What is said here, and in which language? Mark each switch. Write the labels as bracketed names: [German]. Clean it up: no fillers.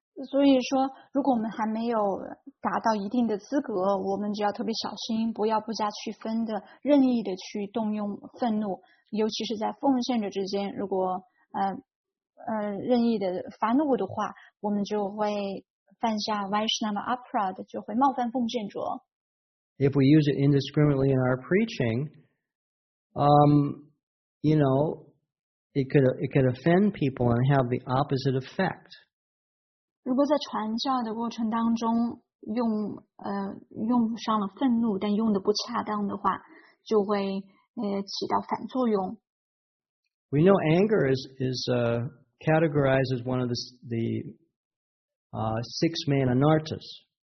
[Chinese] 所以说，如果我们还没有达到一定的资格，我们就要特别小心，不要不加区分的任意的去动用愤怒，尤其是在奉献者之间，如果任意的发怒的话，我们就会犯下 Vaishnava aparad， 就会冒犯奉献者。 [English] If we use it indiscriminately in our preaching, you know, it could offend people and have the opposite effect. [Chinese] 如果在传教的过程当中用上了愤怒，但用的不恰当的话，就会起到反作用。 [English] We know anger is categorized as one of the six main anartas.